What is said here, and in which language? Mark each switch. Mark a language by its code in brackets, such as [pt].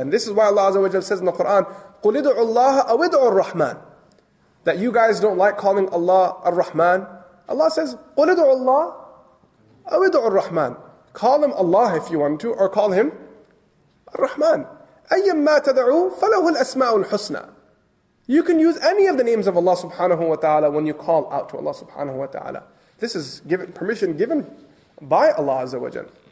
[en] And this is why Allah Azza wa Jalla says in the Quran, [ar] قُلِدُعُ اللَّهَ أَوِدْعُ الرَّحْمَنِ. [en] That you guys don't like calling Allah Ar-Rahman. Allah says, [ar] قُلِدُعُ اللَّهَ أَوِدْعُ الرَّحْمَنِ. [en] Call him Allah if you want to, or call him Ar-Rahman. [ar] أَيَّمَّا تَدْعُوا فَلَهُ الْأَسْمَاءُ الْحُسْنَى. [en] You can use any of the names of Allah subhanahu wa ta'ala when you call out to Allah subhanahu wa ta'ala. This is given permission given by Allah Azza wa Jal.